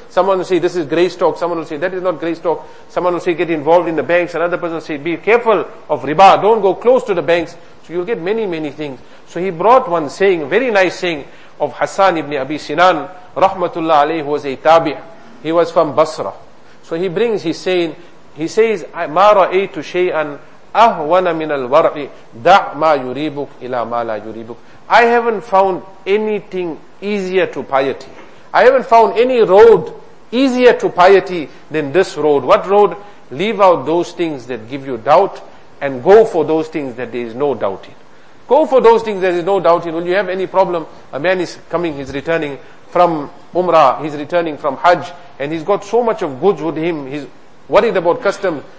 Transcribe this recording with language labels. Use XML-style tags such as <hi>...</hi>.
<en>Someone will say this is grey stock, someone will say that is not grey stock. Someone will say get involved in the banks, another person will say be careful of riba, don't go close to the banks. So you'll get many, many things. So he brought one saying, very nice saying, of Hassan ibn Abi Sinan rahmatullah alayhi, who was a tabi'. He was from Basra. So he brings, he says,</en> <ar>مَا رَأَيْتُ شَيْئًا أَهْوَنَ مِنَ الْوَرْعِ دَعْ مَا يُرِيبُكْ إِلَى مَا لَا يُرِيبُكْ.</ar> <en>I haven't found anything easier to piety. I haven't found any road easier to piety than this road. What road? Leave out those things that give you doubt and go for those things that there is no doubt in. Go for those things that there is no doubt in. Will you have any problem? A man is coming, he's returning from Umrah, he's returning from Hajj, and he's got so much of goods with him, he's worried about custom.</en>